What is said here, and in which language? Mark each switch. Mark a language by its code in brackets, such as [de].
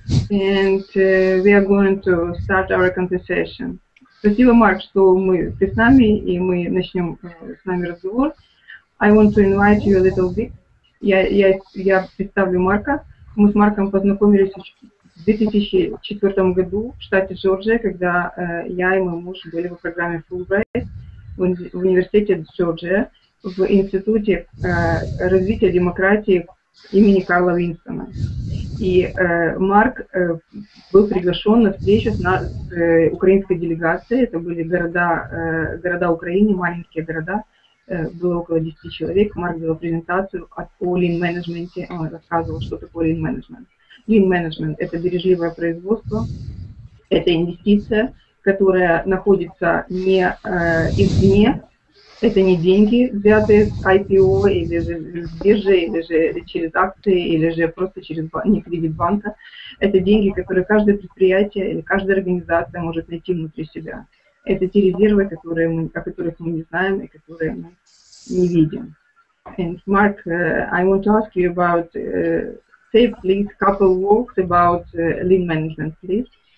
[en] And we are going to start our conversation. [ru] Спасибо, Марк, что ты с нами, и мы начнем с нами разговор. [en] I want to invite you a little bit. [ru] Я представлю Марка. Мы с Марком познакомились в 2004 году в штате Джорджия, когда я и мой муж были в программе Fulbright в университете Джорджия, в институте развития демократии имени Карла Винстона. И Марк был приглашен на встречу с украинской делегацией. Это были города Украины, маленькие города. Было около 10 человек. Марк делал презентацию о лин-менеджменте. Он рассказывал, что такое лин-менеджмент. Лин-менеджмент – это бережливое производство, это инвестиция, которая находится не извне, это не деньги, взятые с IPO, или же с биржи, или же через акции, или же просто через не кредит банка. Это деньги, которые каждое предприятие или каждая организация может найти внутри себя. Это те резервы, которые мы, о которых мы не знаем и которые мы не видим. [en] And Mark, I want to ask you about, say please, couple words about lean management, please.